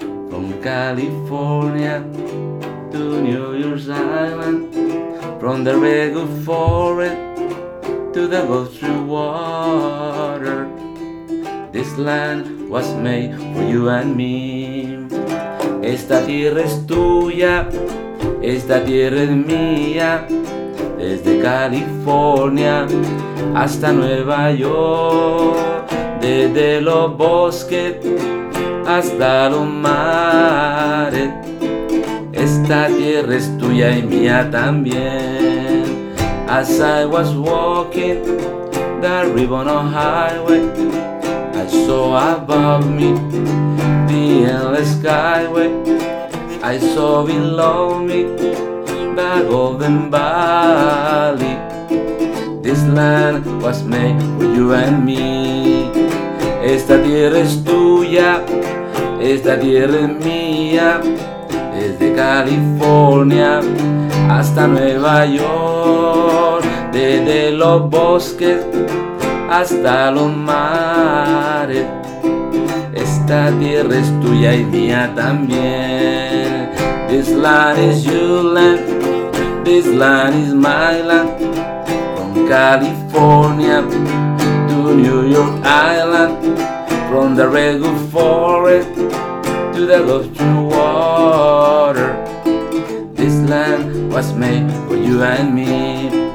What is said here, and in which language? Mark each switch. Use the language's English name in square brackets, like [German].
[English] From California to New York's Island, from the redwood forest to the Gulf Stream water, this land was made for you and me. [Spanish] Esta tierra es tuya, esta tierra es mía, desde California hasta Nueva York, desde los bosques hasta los mares, esta tierra es tuya y mía también. [English] As I was walking the ribbon of highway, I saw above me the endless skyway. I saw below me the golden valley. This land was made for you and me. [Spanish] Esta tierra es tuya, esta tierra es mía, desde California hasta Nueva York, desde los bosques hasta los mares, esta tierra es tuya y mía también. [English] This land is your land, this land is my land, from California to New York Island, from the redwood forest to the Gulf Stream water, this land was made for you and me.